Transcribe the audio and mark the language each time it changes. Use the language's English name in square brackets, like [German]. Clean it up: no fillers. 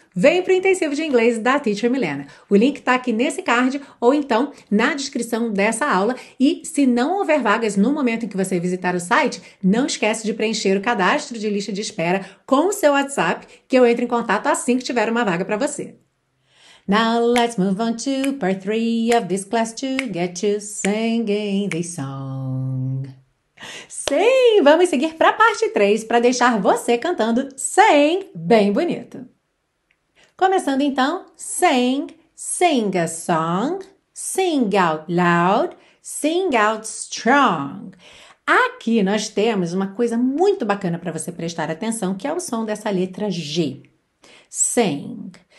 [Portuguese] Vem para o Intensivo de Inglês da Teacher Milena. O link está aqui nesse card ou então na descrição dessa aula. E se não houver vagas no momento em que você visitar o site, não esquece de preencher o cadastro de lista de espera com o seu WhatsApp, que eu entro em contato assim que tiver uma vaga para você. [English] Now let's move on to part 3 of this class to get you singing this song. [Portuguese] Sim, vamos seguir para a parte 3 para deixar você cantando sing bem bonito. Começando então, [English] sing, sing a song, sing out loud, sing out strong. [Portuguese] Aqui nós temos uma coisa muito bacana para você prestar atenção, que é o som dessa letra G. Sing.